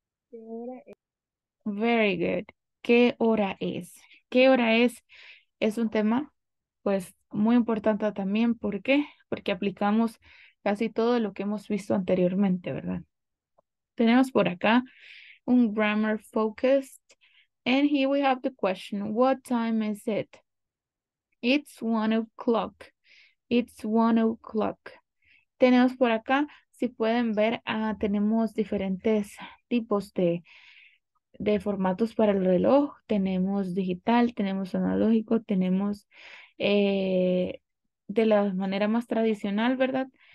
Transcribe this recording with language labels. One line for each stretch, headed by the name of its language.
Spanish: ¿Qué hora es?
English: Very good.
Spanish: ¿Qué hora es? ¿Qué hora es? Es un tema pues muy importante también. ¿Por qué? Porque aplicamos casi todo lo que hemos visto anteriormente, ¿verdad? Tenemos por acá un grammar focused.
English: And here we have the question, what time is it? It's 1 o'clock. It's 1 o'clock.
Spanish: Tenemos por acá, si pueden ver, tenemos diferentes tipos de formatos para el reloj. Tenemos digital, tenemos analógico, tenemos de la manera más tradicional, ¿verdad?